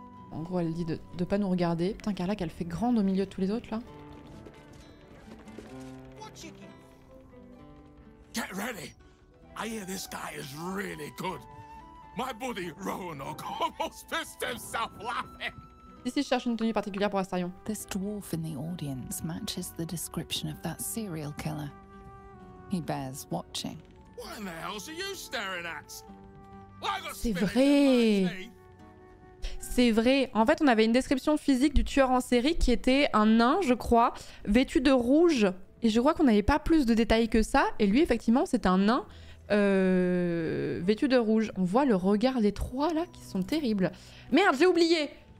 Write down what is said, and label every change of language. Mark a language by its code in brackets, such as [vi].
[fr] En gros, elle dit de pas nous regarder. Putain, Carla, qu'elle fait grande au milieu de tous les autres, là. [en] Get ready. I hear this guy is really good. My buddy Roanoke almost pissed himself laughing. [fr] Ici, je cherche une tenue particulière pour Astarion. [en] This dwarf in the audience matches the description of that serial killer. He bears watching. What in the hell are you staring at? [fr] C'est vrai. C'est vrai. En fait, on avait une description physique du tueur en série qui était un nain, je crois, vêtu de rouge. Et je crois qu'on n'avait pas plus de détails que ça. Et lui, effectivement, c'est un nain vêtu de rouge. On voit le regard des trois, là, qui sont terribles. Merde, j'ai oublié.